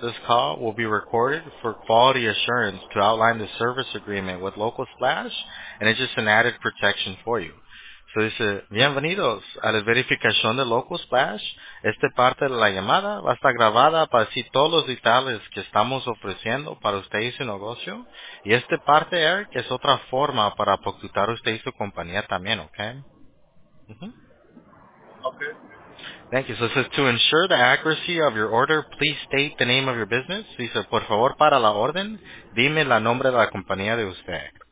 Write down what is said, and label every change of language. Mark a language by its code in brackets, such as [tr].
[en] This call will be recorded for quality assurance to outline the service agreement with Local Splash, and it's just an added protection for you. [es] So dice, bienvenidos a la verificación de Local Splash. Esta parte de la llamada va a estar grabada para así todos los detalles que estamos ofreciendo para usted y su negocio. Y esta parte, Eric, es otra forma para apoyar usted y su compañía también, ¿ok? [en] Okay. Thank you. So it says, to ensure the accuracy of your order, please state the name of your business. [es] So dice, por favor, para la orden, dime la nombre de la compañía de usted.